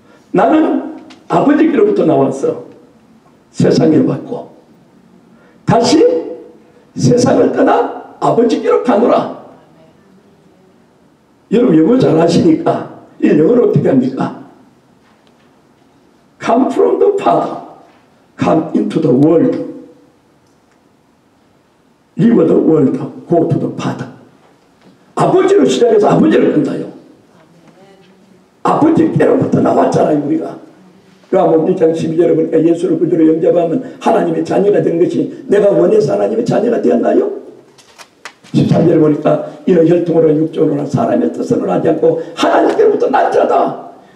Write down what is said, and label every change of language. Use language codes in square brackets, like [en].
[ko] 나는 아버지께로부터 나와서 세상에 왔고 다시 세상을 떠나 아버지께로 가노라. 여러분 영어 잘하시니까 이 영어를 어떻게 합니까? [en] Come from the Father, come into the world, leave the world, go to the Father. [ko] 아버지로 시작해서 아버지를 간다요. 아버지께로부터 나왔잖아요 우리가. 요한복음 2장 12절에 보니까 예수를 구주로 영접하면 하나님의 자녀가 된 것이 내가 원해서 하나님의 자녀가 되었나요? 13절에 보니까 이런 혈통으로 육적으로는 사람의 뜻으로는 하지 않고 하나님께로부터 난 자다.